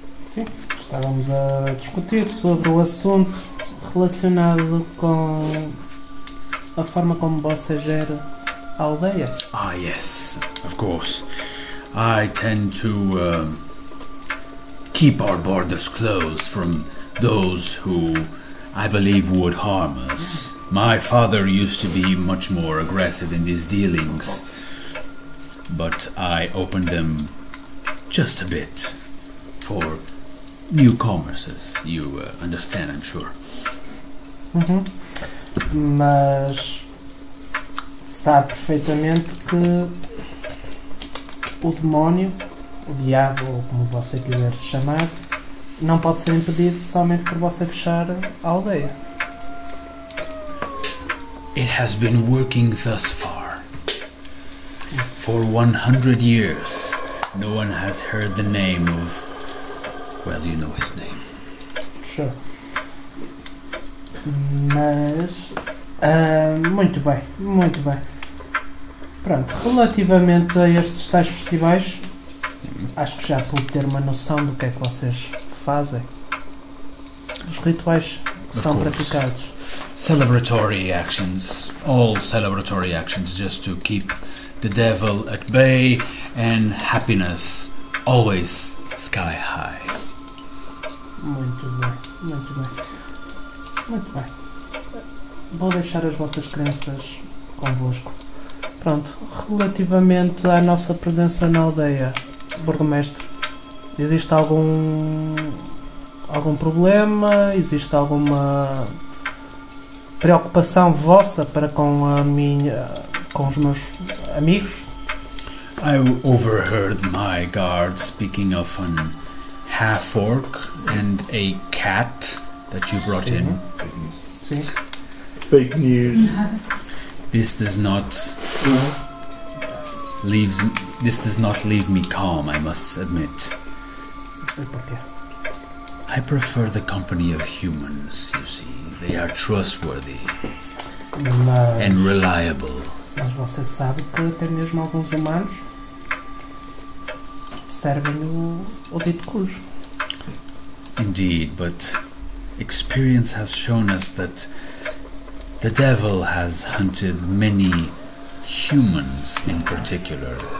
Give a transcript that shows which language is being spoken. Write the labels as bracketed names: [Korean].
[Portuguese] Sim, estávamos a discutir sobre o assunto relacionado com a forma como você gera a aldeia. [English] Ah, yes, of course. I tend to keep our borders closed from those who I believe would harm us. My father used to be much more aggressive in these dealings, but I opened them just a bit for newcomers, as you understand, I'm sure. Uhum. [Portuguese] Mas sabe perfeitamente que o demónio, o diabo, ou como você quiser chamar, não pode ser impedido somente por você fechar a aldeia. [English] It has been working thus far. For 100 years, no one has heard the name of... Well, you know his name. Sure. [Portuguese] Mas... muito bem, muito bem. Pronto, relativamente a estes tais festivais, acho que já pude ter uma noção do que é que vocês fazem. Os rituais que são praticados. [English] Celebratory actions, all celebratory actions, just to keep the devil at bay and happiness always sky high. [Portuguese] Muito bem, muito bem. Muito bem. Vou deixar as vossas crenças convosco. Pronto, relativamente à nossa presença na aldeia, burgomestre, existe algum problema? Existe alguma preocupação vossa para com a minha, com os meus amigos? [English] I overheard my guard speaking of an half-orc and a cat that you brought [Portuguese] Sim. [English] in. [Portuguese] Sim. [English] Fake news. This does not leaves. This does not leave me calm, I must admit. I prefer the company of humans, you see. They are trustworthy and reliable. [Portuguese] Mas você sabe que até mesmo alguns humanos servem o dito cujo. [English] Indeed, but experience has shown us that the devil has hunted many humans in particular.